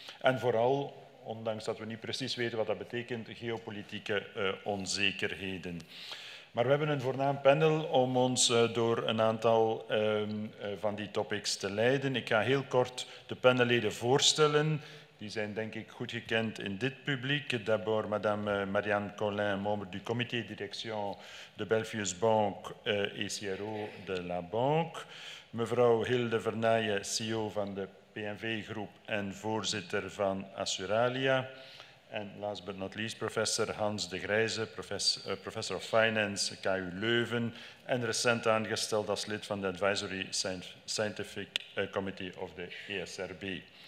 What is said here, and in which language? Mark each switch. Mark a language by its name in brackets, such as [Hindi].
[Dutch] En vooral, ondanks dat we niet precies weten wat dat betekent, geopolitieke onzekerheden. Maar we hebben een voornaam panel om ons door een aantal van die topics te leiden. Ik ga heel kort de panelleden voorstellen. Die zijn denk ik goed gekend in dit publiek. [French] D'abord madame Marianne Collin, membre du comité direction de Belfius Bank et CRO de la Banque. [Dutch] Mevrouw Hilde Vernaaien, CEO van de PNV-groep en voorzitter van Assuralia. En [English] last but not least, professor Hans de Grijze, professor of finance, KU Leuven. [Dutch] En recent aangesteld als lid van de Advisory Scientific Committee of de ESRB.